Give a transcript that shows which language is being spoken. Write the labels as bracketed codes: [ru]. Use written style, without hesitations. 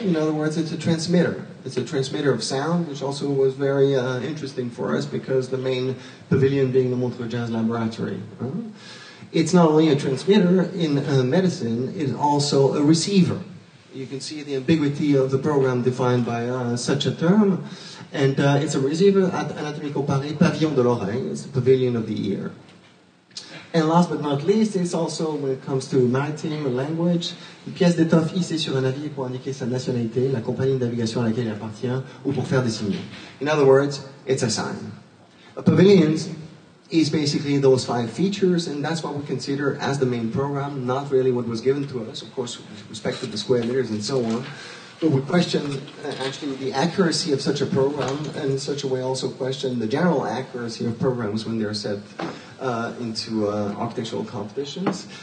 [en] In other words, it's a transmitter. It's a transmitter of sound, which also was very interesting for us because the main pavilion being the Montreux Jazz Laboratory. It's not only a transmitter in medicine, it's also a receiver. You can see the ambiguity of the program defined by such a term. And it's a receiver at Anatomico Paris, Pavillon de l'Oreille. It's the pavilion of the ear. And last but not least, it's also, when it comes to maritime or language, [fr] une pièce d'étoffe hissée sur un navire pour indiquer sa nationalité, la compagnie de navigation à laquelle il appartient, ou pour faire des signes. [en] In other words, it's a sign. A pavilion is basically those five features, and that's what we consider as the main program, not really what was given to us, of course, with respect to the square meters and so on. But we question actually the accuracy of such a program, and in such a way also question the general accuracy of programs when they're set into architectural competitions.